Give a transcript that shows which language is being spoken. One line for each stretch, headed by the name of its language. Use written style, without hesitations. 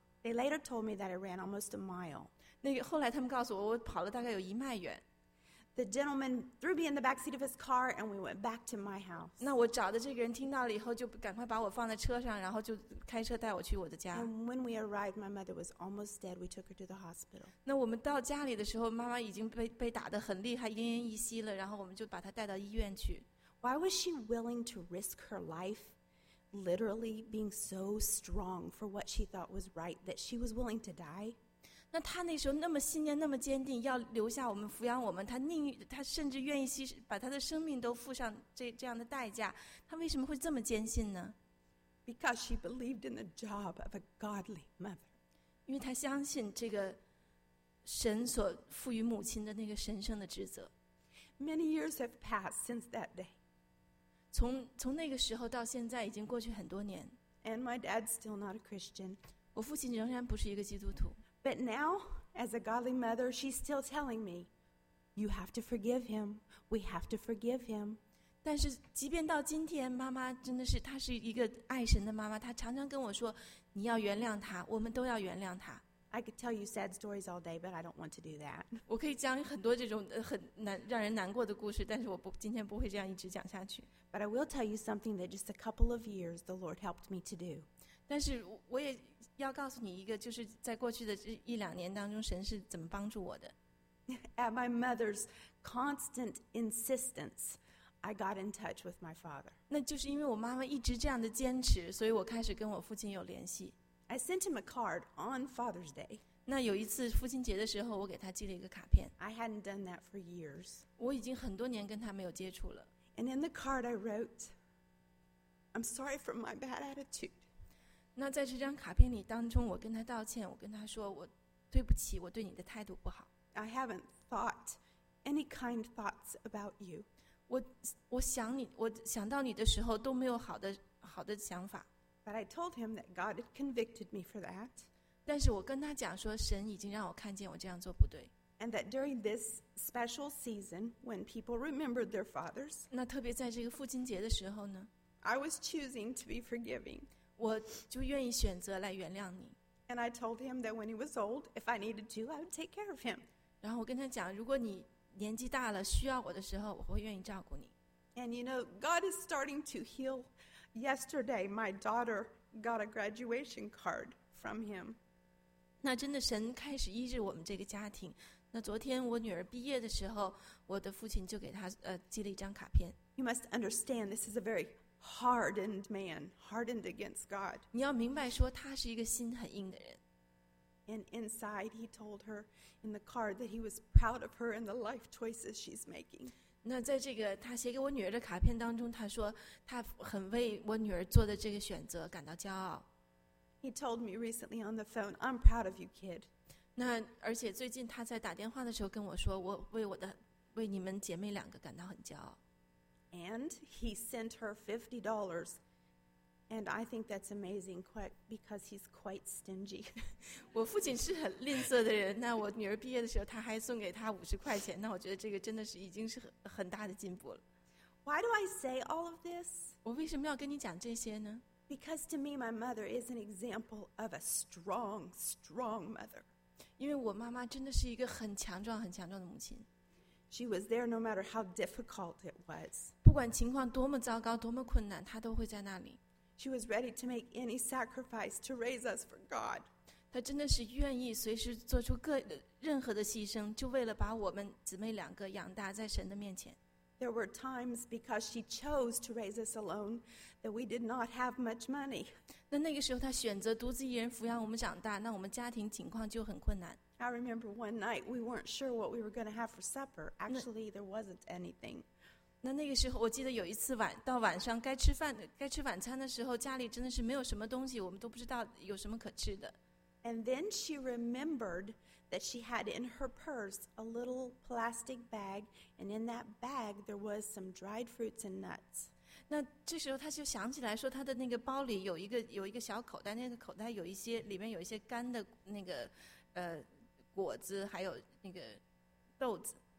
English: They later told me that I ran almost a mile.
Chinese: 那个后来他们告诉我跑了大概有一迈远。
English: The gentleman threw me in the back seat of his car, and we went back to my house.
Chinese: 那我找的这个人听到了以后，就赶快把我放在车上，然后就开车带我去我的家。
English: And when we arrived, my mother was almost dead. We took her to the hospital.
Chinese: 那我们到家里的时候，妈妈已经被打得很厉害，奄奄一息了。然后我们就把她带到医院去。
English: Why was she willing to risk her life, literally being so strong for what she thought was right that she was willing to die?
Chinese: 那他那时候那么信念那么坚定要留下我们抚养我们，他甚至愿意把他的生命都付上这样的代价，他为什么会这么坚信呢？
English: Because she believed in the job of a godly mother.
Chinese: 因为他相信这个神所赋予母亲的那个神圣的职责。
English: Many years have passed since that day.
Chinese: 从那个时候到现在已经过去很多年。
English: And my dad's still not a Christian.
Chinese: 我父亲仍然不是一个基督徒。
English: But now, as a godly mother, she's still telling me, "You have to forgive him. We have to forgive him."
Chinese: 但是，即便到今天，妈妈真的是她是一个爱神的妈妈，她常常跟我说，你要原谅她，我们都要原谅她。
English: I could tell you sad stories all day, but I don't want to do that.
Chinese: 我可以讲很多这种很难让人难过的故事，但是我不今天不会这样一直讲下去。
English: But I will tell you something that just a couple of years the Lord helped me to do.
Chinese: 但是我也要告诉你一个，就是在过去的一两年当中，神是怎么帮助我的。
English: At my mother's constant insistence, I got in touch with my father.
Chinese: 那就是因为我妈妈一直这样的坚持，所以我开始跟我父亲有联系。
English: I sent him a card on Father's Day.
Chinese: 那有一次父亲节的时候，我给他寄了一个卡片。
English: I hadn't done that for years.
Chinese: 我已经很多年跟他没有接触了。
English: And in the card I wrote, "I'm sorry for my bad attitude."
Chinese: 那在这张卡片里当中，我跟他道歉，我跟他说我对不起，我对你的态度不好。
English: I haven't thought any kind thoughts about you.
Chinese: 我想到你的时候都没有好的想法。
English: But I told him that God had convicted me for that.
Chinese: 但是我跟他讲说，神已经让我看见我这样做不对。
English: And that during this special season, when people remembered their fathers,
Chinese: 那特别在这个父亲节的时候呢
English: ，I was choosing to be forgiving.
Chinese: 我就愿意选择来原谅你。
English: And I told him that when he was old, if I needed to, I would take care of him.
Chinese: 然后我跟他讲，如果你年纪大了需要我的时候，我会愿意照顾你。
English: And you know, God is starting to heal. Yesterday, my daughter got a graduation card from him.
Chinese: 那真的神开始医治我们这个家庭。那昨天我女儿毕业的时候，我的父亲就给她寄了一张卡片。
English: You must understand, this is a very hardened man, hardened against God.
Chinese: 你要明白说他是一个心很硬的人。
English: And inside, he told her in the card that he was proud of her and the life choices she's making.
Chinese: 那在这个他写给我女儿的卡片当中，他说他很为我女儿做的这个选择感到骄傲。
English: He told me recently on the phone, "I'm proud of you, kid."
Chinese: 那而且最近他在打电话的时候跟我说，我为我的为你们姐妹两个感到很骄傲。
English: And he sent her $50, and I think that's amazing, because he's quite stingy.
Chinese: 我父亲是很吝啬的人，那我女儿毕业的时候，他还送给她50块钱，那我觉得这个真的是已经是很大的进步了。
English: Why do I say all of this?
Chinese: 我为什么要跟你讲这些呢？
English: Because to me, my mother is an example of a strong, strong mother.
Chinese: 因为我妈妈真的是一个很强壮、很强壮的母亲。
English: She was there no matter how difficult it was.
Chinese: 不管情况多么糟糕、多么困难，她都会在那里。
English: She was ready to make any sacrifice to raise us for God.
Chinese: 她真的是愿意随时做出任何的牺牲，就为了把我们姊妹两个养大在神的面前。
English: There were times because she chose to raise us alone that we did not have much money.
Chinese: 那个时候她选择独自一人抚养我们长大，那我们家庭情况就很困难。
English: I remember one night we weren't sure what we were going to have for supper. Actually, there wasn't anything.
Chinese: 那个时候我记得有一次到晚上该吃晚餐的时候，家里真的是没有什么东西，我们都不知道有什么可吃的。
English: And then she remembered that she had in her purse a little plastic bag, and in that bag there was some dried fruits and nuts.
Chinese: 那这时候她就想起来说，她的那个包里有一个小口袋，那个口袋有一些里面有一些干的那个果子，还有那个豆子。